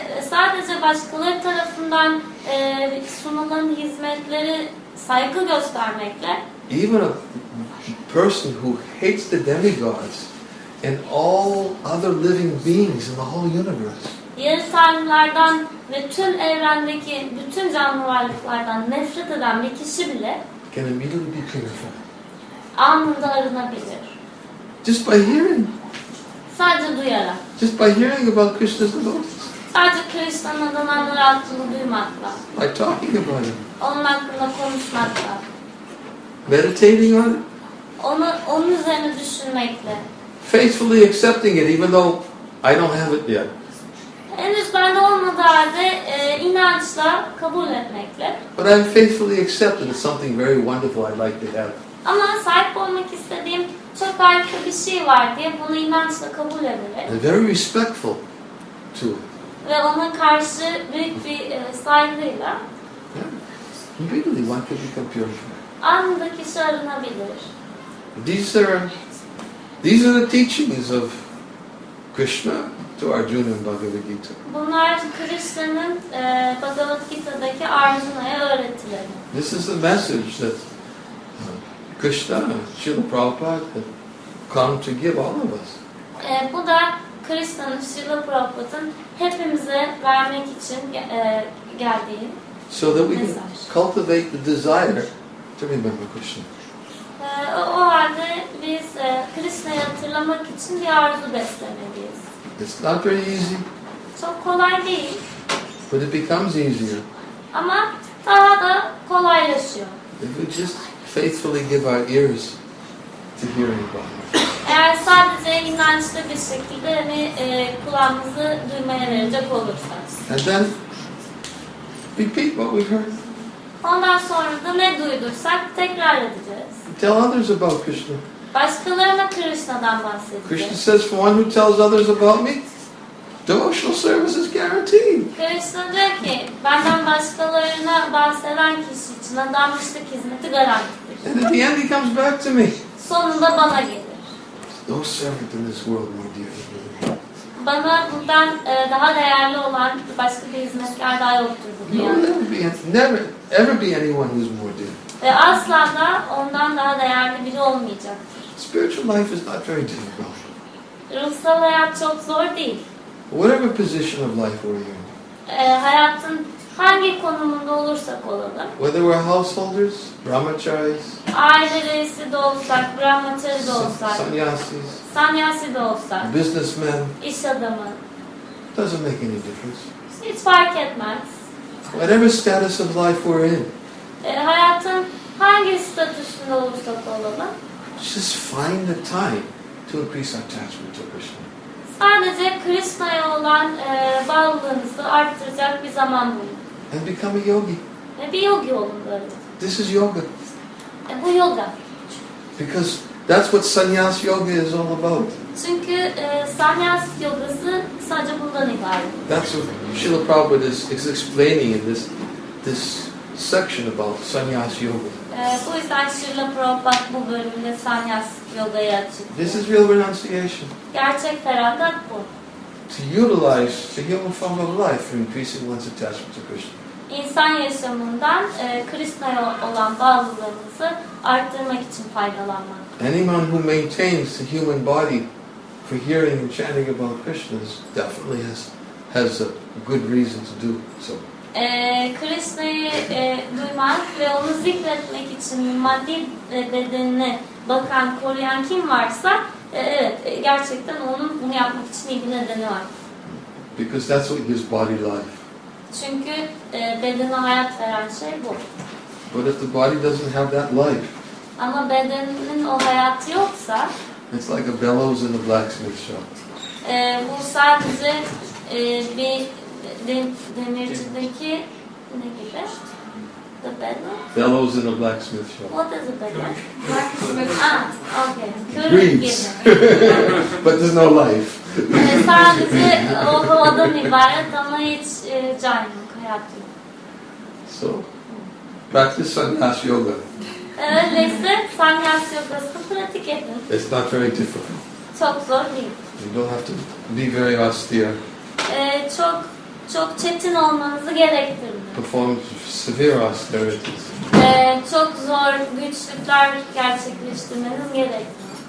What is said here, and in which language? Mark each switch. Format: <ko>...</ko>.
<tr>Sadece başkaları tarafından sunulan hizmetleri saygı göstermekle.</tr> <en>Even a person who hates the demigods and all other living beings in the whole universe.</en> <tr>Yer tanrılardan ve tüm evrendeki bütün canlı varlıklardan nefret eden bir kişi bile</tr> <en>can immediately be purified.</en> <tr>Anında arınabilir.</tr> <en>Just by hearing.</en> <tr>Sadece duyarak.</tr> <en>Just by hearing about Krishna's devotees.</en> <tr>Sadece Krishna'nın adamları altını duymakla.</tr> <en>By talking about him.</en> <tr>Onun hakkında konuşmakla.</tr> <en>Meditating on it.</en> <tr>Onun üzerine düşünmekle.</tr> <en>Faithfully accepting it, even though I don't have it yet.</en> <tr>Henüz bende olmadığı halde inançla kabul etmekle.</tr> <en>But I'm faithfully accepting something very wonderful I'd like to have.</en> <tr>Ama sahip olmak istediğim çok harika bir şey var diye bunu inançla kabul ederek.</tr> <en>And very respectful to it.</en> <tr>Ve ona karşı büyük bir saygıyla.</tr> <en>Yeah. Really, one could become purified.</en> <tr>Anında kişi arınabilir.</tr> <en>These are the teachings of Krishna to Arjuna in Bhagavad Gita.</en> <tr>Bunlar Krishna'nın Bhagavad Gita'daki Arjuna'ya öğretileri.</tr> <en>This is the message that Krishna, Srila Prabhupada, had come to give all of us.</en> <tr>Bu da Krishna'nın, Srila Prabhupada'nın hepimize vermek için geldiği mesaj.</tr> <en>So that we can cultivate the desire to remember Krishna.</en> <tr>O halde biz Krishna'yı hatırlamak için bir arzu beslemeliyiz.</tr> <en>It's not very easy.</en> <tr>Çok kolay değil.</tr> <en>But it becomes easier.</en> <tr>Ama daha da kolaylaşıyor.</tr> <en>If we just faithfully give our ears to hearing God.</en> <tr>Eğer sadece inançlı bir şekilde kulağımızı duymaya verecek olursak.</tr> <en>And then repeat what we heard.</en> <tr>Ondan sonra da ne duydursak tekrar edeceğiz.</tr> <en>Tell others about Krishna.</en> <tr>Başkalarına Krishna'dan bahsedecek.</tr> <en>Krishna says, "For one who tells others about me, devotional service is guaranteed."</en> <tr>Krishna diyor ki, benden başkalarına bahseden kişi için adanmışlık hizmeti garantidir.</tr> <en>And at the end, he comes back to me.</en> <tr>Sonunda bana gelir.</tr> <en>No servant in this world more dear than me.</en> <tr>Bana bundan daha değerli olan başka bir hizmetkar daha yoktur dünyada.</tr> <en>Never be anyone who's more dear.</en> <tr>Ve asla da ondan daha değerli biri olmayacaktır.</tr> <en>Spiritual life is not very difficult.</en> <tr>Ruhsal hayat çok zor değil.</tr> <en>Whatever position of life we're in.</en> <tr>Hayatın hangi konumunda olursak olalım.</tr> <en>Whether we're householders, brahmacharis.</en> <tr>Aile reisi de olsak, brahmacari de olsak.</tr> <en>Sanyasis.</en> <tr>Sanyasi de olsak.</tr> <en>Businessman.</en> <tr>İş adamı.</tr> <en>Doesn't make any difference.</en> <tr>Hiç fark etmez.</tr> <en>Whatever status of life we're in.</en> <tr>Hayatın hangi statüsünde olursak olalım.</tr> <en>Just find the time to increase our attachment to Krishna.</en> <tr>Sadece Krishna'ya olan bağlılığınızı arttıracak bir zaman bulun.</tr> <en>And become a yogi.</en> <tr>Bir yogi olun.</tr> <en>This is yoga.</en> <tr>Bu yoga.</tr> <en>Because that's what sannyas yoga is all about.</en> <tr>Çünkü sannyas yogası sadece bundan ibaret.</tr> <en>That's what Srila Prabhupada is explaining in this section about sannyas yoga.</en> <tr>Bu yüzden Srila Prabhupada bu bölümde sannyas yogayı açıklıyor.</tr> <en>This is real renunciation.</en> <tr>Gerçek feragat bu.</tr> <en>To utilize the human form of life for increasing one's attachment to Krishna.</en> <tr>İnsan yaşamından Krishna'ya olan bağlılığımızı arttırmak için faydalanmak.</tr> <en>Anyone who maintains the human body for hearing and chanting about Krishna definitely has a good reason to do so.</en> <tr>Krishna'yı duymak ve onu zikretmek için maddi bedenine bakan, koruyan kim varsa evet, gerçekten onun bunu yapmak için iyi bir nedeni var.</tr> <en>Because that's what gives body life.</en> <tr>Çünkü bedene hayat veren şey bu.</tr> <en>But if the body doesn't have that life,</en> <tr>ama bedenin o hayatı yoksa</tr> <en>it's like a bellows in a blacksmith shop.</en> <tr>Bu sadece bir demircideki ne gibi?</tr> <en>The bellows? Bellows in a blacksmith shop. What is a bellow? Blacksmith. Okay. It reads. But there's no life.</en> <tr>Sadece o havadan ibaret ama hiç can yok, hayat yok.</tr> <en>So, Practice sannyas yoga.</en> <tr>Öyleyse sannyas yogasını pratik edin.</tr> <en>It's not very difficult.</en> <tr>Çok zor değil.</tr> <en>You don't have to be very austere.</en> <tr>Çok çok çetin olmanızı gerektirmiyor.</tr> <en>Perform severe austerity.</en> <tr>Çok zor güçlükler gerçekleştirmeniz gerekmiyor.</tr>